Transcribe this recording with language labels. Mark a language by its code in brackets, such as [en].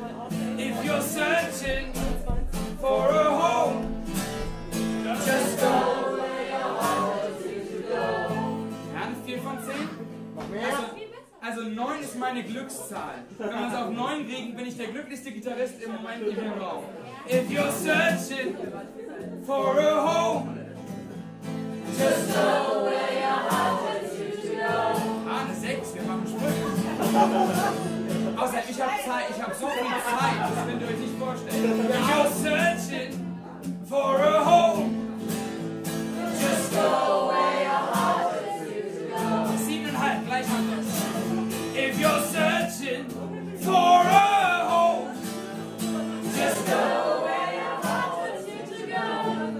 [en] If you're searching for a home, just go where your heart is to go. [de] Ja, eine 4 von 10? Noch mehr? Also 9 ist meine Glückszahl. Wenn wir es auf 9 kriegen, bin ich der glücklichste Gitarrist im Moment in dem Raum. [en] If you're searching for a home, just go where your heart wants you to go. [de] Ah, eine 6, wir machen Sprünge. Außer ich hab Zeit, ich hab so viel Zeit, das könnt ihr euch nicht vorstellen. [en] If you're searching for a home, just go where your heart wants you to go. [de] 7,5, gleich mal kurz. [en] If you're searching for a home, just go where your heart wants you to go.